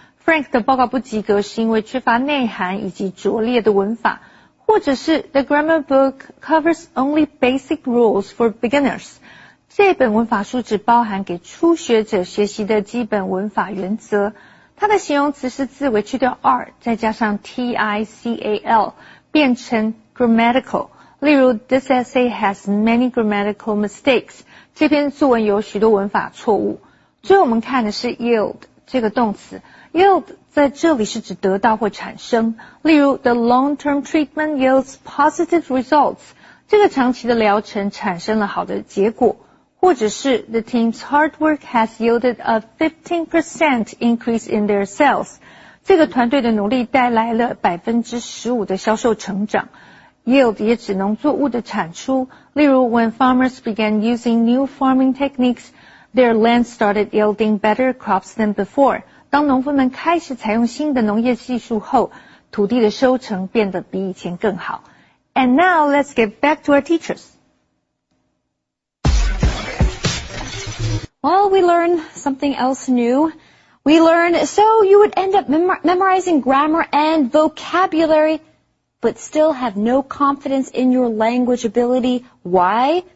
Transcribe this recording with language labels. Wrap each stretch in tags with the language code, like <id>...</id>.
<zh>Frank 的报告不及格是因为缺乏内涵以及拙劣的文法。或者是</zh> <en>The grammar book covers only basic rules for beginners.</en> <zh>这本文法书只包含给初学者学习的基本文法原则。它的形容词是字尾去掉 r 再加上 tical 变成 grammatical 例如</zh> <en>This essay has many grammatical mistakes</en> <zh>这篇作文有许多文法错误最后我们看的是 yield 这个动词 yield 在这里是指得到或产生，例如</zh> <en>the long-term treatment yields positive results，</en> <zh>这个长期的疗程产生了好的结果，或者是</zh> <en>the team's hard work has yielded a 15% increase in their sales，</en> <zh>这个团队的努力带来了 15% 的销售成长。</zh> <en>Yield</en> <zh>也指农作物的产出，例如</zh> <en>when farmers began using new farming techniques, their land started yielding better crops than before.</en> <zh>当农夫们开始采用新的农业技术后，土地的收成变得比以前更好。</zh> <en>And now let's get back to our teachers. Well, we learn something else new. We learn so you would end up memorizing grammar and vocabulary. But still have no confidence in your language ability. Why?</en>